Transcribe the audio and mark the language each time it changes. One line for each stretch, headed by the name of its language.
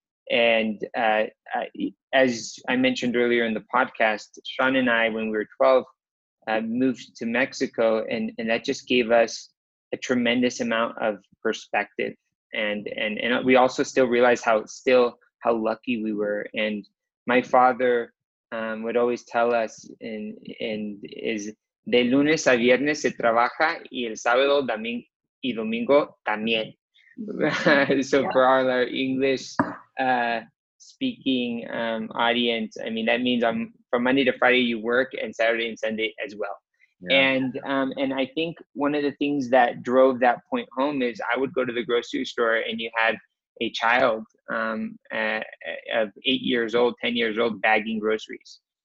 English: And as I mentioned earlier in the podcast, Sean and I, when we were 12, moved to Mexico, and that just gave us a tremendous amount of perspective. And we also still realize how lucky we were. And my father would always tell us, is
Spanish: de lunes a viernes se trabaja y el sábado y domingo también.
English: So yeah. For all our English speaking audience, I mean, that means from Monday to Friday you work, and Saturday and Sunday as well. Yeah. And I think one of the things that drove that point home is I would go to the grocery store, and you had a child of 8 years old, 10 years old, bagging groceries.